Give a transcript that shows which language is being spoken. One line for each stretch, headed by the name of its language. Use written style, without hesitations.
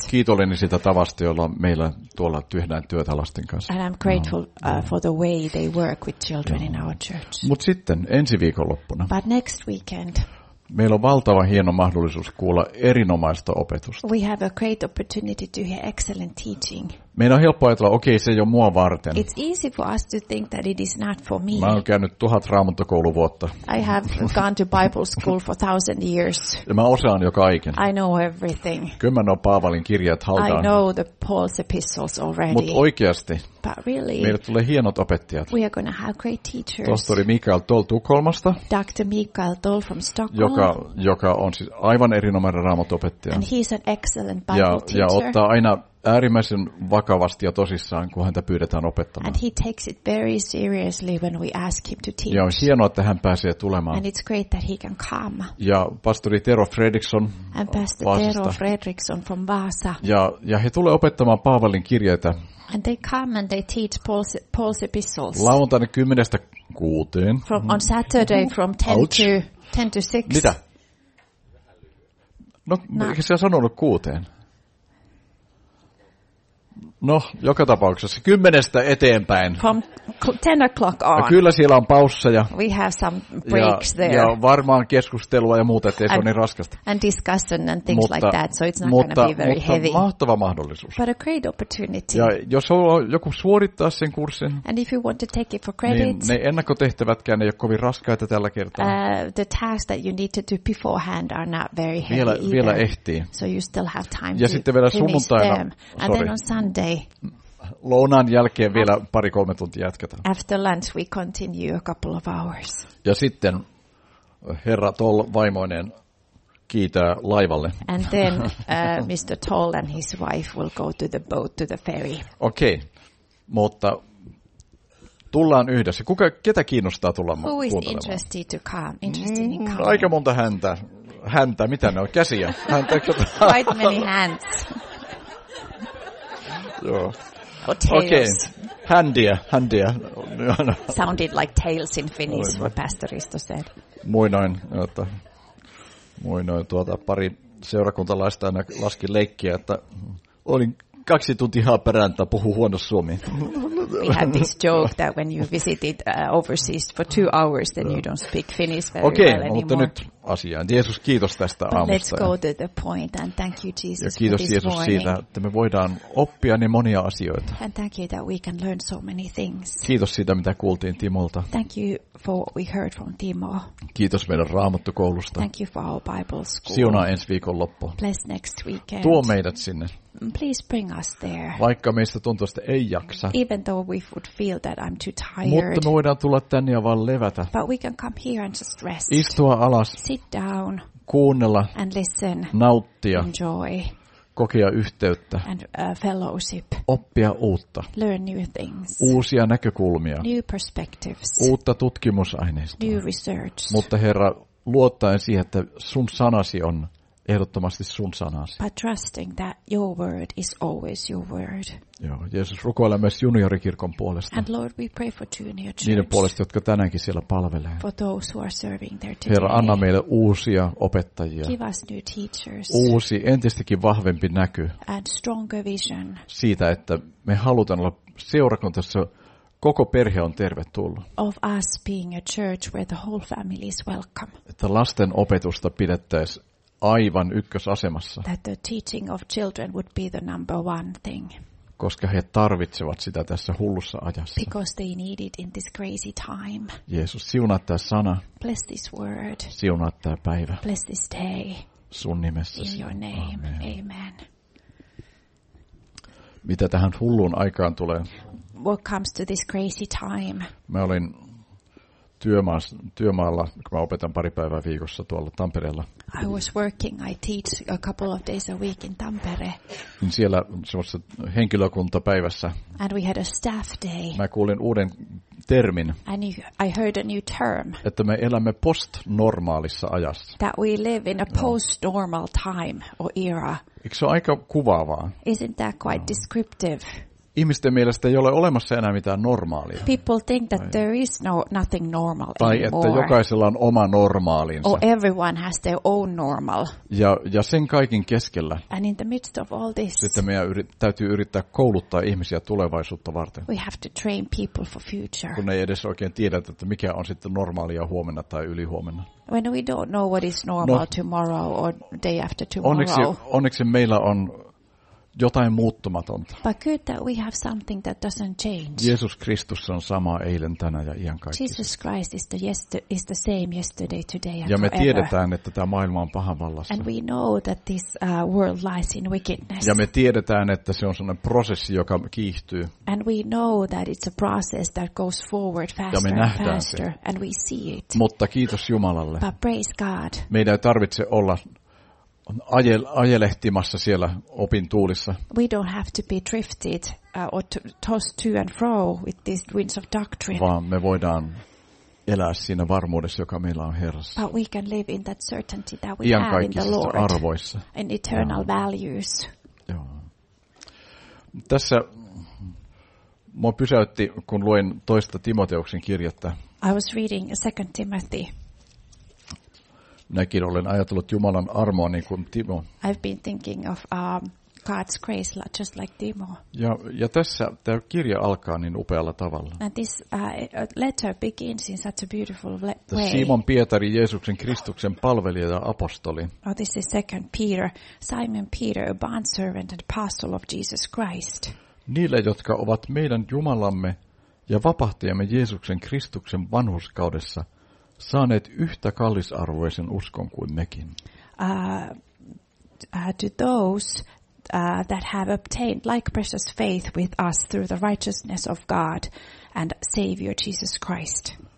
Finnish: Kiitollinen sitä tavasta, jolla meillä tuolla tyhdään työtä lasten kanssa.
English: And I'm grateful for the way they work with children in our church.
Finnish: Mut sitten ensi viikonloppuna.
English: But next weekend.
Finnish: Meillä on valtava hieno mahdollisuus kuulla erinomaista opetusta.
English: We have a great opportunity to hear excellent teaching.
Finnish: Meidän on helppo ajatella, okei, se ei ole mua varten.
English: It's easy for us to think that it is not for me.
Finnish: Mä oon käynyt 1000 raamattokouluvuotta.
English: I have gone to Bible school for 1000 years.
Finnish: Ja mä osaan jo kaiken.
English: I know everything.
Finnish: Kyllä mä noin Paavalin kirjat haltaan.
English: I know the Paul's epistles already.
Finnish: Mut oikeasti.
English: But really.
Finnish: Meille tulee hienot opettajat.
English: We are going to have great teachers.
Finnish: Tohtori Mikael Toll Tukholmasta.
English: Dr. Mikael Toll from Stockholm.
Finnish: Joka on siis aivan erinomainen raamattopettaja.
English: And he's an excellent Bible teacher.
Finnish: Ja ottaa aina äärimmäisen vakavasti ja tosissaan, kun häntä pyydetään opettamaan.
English: And he takes it very seriously when we ask him to teach.
Finnish: Ja on hienoa, että hän pääsee tulemaan.
English: And it's great that he can come.
Finnish: Ja pastori Tero Fredriksson Vaasasta.
English: And pastor Tero Fredriksson from Vaasa.
Finnish: Ja he tulee opettamaan Paavalin kirjeitä.
English: And they come and they teach Paul's epistles.
Finnish: Lauantaina 10-6.
English: On Saturday from 10 to 6.
Finnish: Mitä? No, eikö sinä sanonut 6? No, joka tapauksessa 10:stä eteenpäin.
English: From 10 o'clock on.
Finnish: Ja kyllä siellä on pausseja.
English: We have some breaks
Finnish: ja,
English: there.
Finnish: Ja varmaan keskustelua ja muuta, ettei se ole niin raskasta.
English: And discussion and things
Finnish: mutta,
English: like that, so it's not going to be very
Finnish: mutta
English: heavy.
Finnish: Mutta mahtava mahdollisuus.
English: But a great opportunity.
Finnish: Ja jos on joku suorittaa sen kurssin,
English: and if you want to take it for credit,
Finnish: niin ne ennakkotehtävätkään ei ole kovin raskaita tällä kertaa.
English: The tasks that you need to do beforehand are not very heavy
Finnish: vielä,
English: either.
Finnish: Vielä ehtii.
English: So you still have time
Finnish: ja
English: to
Finnish: sitten vielä sunnuntaina,
English: them. Sorry. And then on Sunday.
Finnish: Lounaan jälkeen vielä pari-kolme tuntia jatketaan.
English: After lunch we continue a couple of hours.
Finnish: Ja sitten herra Toll vaimoinen kiitää laivalle.
English: And then Mr. Toll and his wife will go to the boat to the ferry.
Finnish: Okei. Mutta tullaan yhdessä. Kuka ketä kiinnostaa tulla kuuntelemaan?
English: Who is interested to come? Interested in coming.
Finnish: Aika monta häntä. Häntä, mitä ne on? Käsiä. Häntä.
English: Quite many hands.
Finnish: Joo.
English: Or tails.
Finnish: Okei, handia, handia.
English: Sounded like tails in Finnish, what pastoristo said.
Finnish: Muinoin, että muinoin tuota pari seurakuntalaista aina laski leikkiä, että olin 2 tuntia ihan peräntä, puhu huono suomi.
English: We had this joke that when you visited overseas for 2 hours, then you don't speak Finnish very okay, well anymore.
Finnish: Okei, mutta nyt asiaan. Jeesus, kiitos tästä
English: but aamusta. Let's go to the point and thank you, Jesus,
Finnish: ja kiitos
English: for
Finnish: Jeesus
English: morning.
Finnish: Siitä, että me voidaan oppia niin monia asioita.
English: And thank you that we can learn so many things.
Finnish: Kiitos siitä, mitä kuultiin Timolta.
English: Thank you for what we heard from Timo.
Finnish: Kiitos meidän raamattukoulusta.
English: Thank you for our Bible school.
Finnish: Siunaa ensi viikon loppu.
English: Bless next weekend.
Finnish: Tuo meidät sinne.
English: Please bring us there.
Finnish: Vaikka meistä tuntuu, että ei jaksa.
English: Even though we would feel that I'm too tired.
Finnish: Mutta me voidaan tulla tänne ja vaan levätä.
English: But we can come here and just rest.
Finnish: Istua alas.
English: Sit down.
Finnish: Kuunnella.
English: And listen.
Finnish: Nauttia.
English: Enjoy.
Finnish: Kokea yhteyttä.
English: And fellowship.
Finnish: Oppia uutta.
English: Learn new things.
Finnish: Uusia näkökulmia.
English: New perspectives.
Finnish: Uutta tutkimusaineistoa.
English: New research.
Finnish: Mutta Herra, luottaen siihen, että sun sanasi on ehdottomasti sun sanasi.
English: But trusting that your word is always your word.
Finnish: Joo, Jeesus, rukoilemme myös juniorikirkon puolesta.
English: And Lord, we pray for junior church.
Finnish: Niiden puolesta, jotka tänäänkin siellä palvelee.
English: For those who are serving there today.
Finnish: Herra, anna meille uusia opettajia.
English: Give us new teachers.
Finnish: Uusi, entistäkin vahvempi näky.
English: And stronger vision.
Finnish: Siitä, että me halutaan olla seurakuntassa. Koko perhe on tervetullut.
English: Of us being a church where the whole family is welcome.
Finnish: Että lasten opetusta pidettäisiin aivan ykkösasemassa.
English: That the teaching of children would be the number one thing.
Finnish: Koska he tarvitsevat sitä tässä hullussa ajassa.
English: Because they need it in this crazy time.
Finnish: Jeesus, siunaa tämä sana.
English: Bless this word.
Finnish: Siunaa tämä päivä.
English: Bless this day.
Finnish: Sun nimessä.
English: In your name. Amen. Amen.
Finnish: Mitä tähän hulluun aikaan tulee?
English: What comes to this crazy time?
Finnish: Mä olin työmaalla, kun mä opetan pari päivää viikossa tuolla Tampereella.
English: I was working, I teach a couple of days a week in Tampere.
Finnish: Niin siellä semmoisessa henkilökuntapäivässä.
English: And we had a staff day.
Finnish: Mä kuulin uuden termin.
English: And I heard a new term.
Finnish: Että me elämme postnormaalissa ajassa.
English: That we live in a post-normal time or era.
Finnish: Eikö se ole aika kuvaavaa?
English: Isn't that quite descriptive?
Finnish: Ihmisten mielestä ei ole olemassa enää mitään normaalia.
English: People think that there is no nothing normal
Finnish: tai
English: anymore.
Finnish: Tai että jokaisella on oma normaalinsa.
English: Or everyone has their own normal.
Finnish: Ja sen kaiken keskellä.
English: And in the midst of all this.
Finnish: Sitten meidän täytyy yrittää kouluttaa ihmisiä tulevaisuutta varten.
English: We have to train people for future.
Finnish: Kun ei edes oikein tiedä, että mikä on sitten normaalia huomenna tai ylihuomenna.
English: When we don't know what is normal tomorrow or day after tomorrow.
Finnish: Onneksi meillä on jotain muuttumatonta.
English: But good that we have something that doesn't change.
Finnish: Jeesus Kristus on sama eilen, tänä ja iankaikkisesti.
English: Jesus Christ is the same yesterday, today and
Finnish: ja
English: forever.
Finnish: Me tiedetään, että tämä maailma on pahan vallassa.
English: And we know that this world lies in wickedness.
Finnish: Ja me tiedetään, että se on sellainen prosessi, joka kiihtyy.
English: And we know that it's a process that goes forward faster.
Finnish: Ja me nähdään
English: and faster
Finnish: se.
English: And we see it.
Finnish: Mutta kiitos Jumalalle.
English: But praise God.
Finnish: Meidän ei tarvitse olla ajelehtimassa siellä opin tuulissa.
English: We don't have to be drifted or tossed to and fro with these winds of doctrine.
Finnish: Vaan me voidaan elää siinä varmuudessa, joka meillä on Herrassa.
English: But we can live in that certainty that we have in the Lord.
Finnish: Arvoissa.
English: In eternal values.
Finnish: Joo. Tässä mua pysäytti, kun luin toista Timoteuksen kirjettä.
English: I was reading 2 Timothy.
Finnish: Näkin olen ajatellut Jumalan armoa niin kuin Timo.
English: I've been thinking of God's grace, just like Timo.
Finnish: Ja tässä tämä kirja alkaa niin upealla tavalla.
English: And this letter begins in such a beautiful way.
Finnish: Simon Pietari, Jeesuksen Kristuksen palvelija ja apostoli.
English: Oh, this is second Peter, Simon Peter, a bondservant and apostle of Jesus Christ.
Finnish: Niille, jotka ovat meidän Jumalamme ja vapahtajamme Jeesuksen Kristuksen vanhurskaudessa saaneet yhtä kallisarvoisen uskon kuin mekin.
English: To those that have obtained like precious faith with us through the righteousness of God and Savior Jesus Christ.